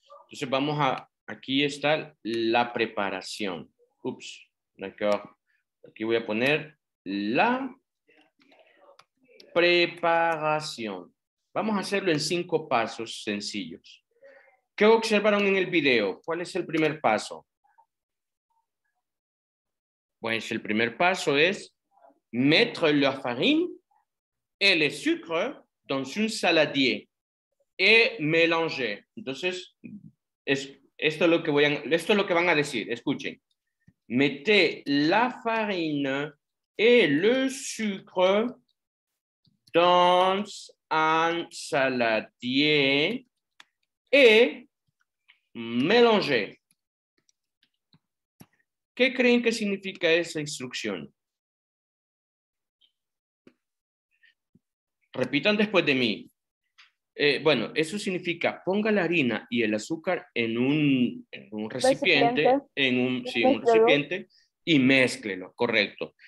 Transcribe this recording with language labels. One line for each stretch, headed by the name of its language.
Spanish: Entonces vamos a, aquí está la preparación. Ups,
French: d'accord.
Spanish: Aquí voy a poner la preparación. Vamos a hacerlo en 5 pasos sencillos. ¿Qué observaron en el video? ¿Cuál es el primer paso? Pues el primer paso es
French: mettre la farine et le sucre dans un saladier et mélanger.
Spanish: Entonces, esto es lo que van a decir. Escuchen.
French: Mettez la farine et le sucre dans un saladier et mélanger.
Spanish: ¿Qué creen que significa esa instrucción? Repitan después de mí. Bueno, eso significa ponga la harina y el azúcar en un recipiente, un recipiente y mézclelo, correcto.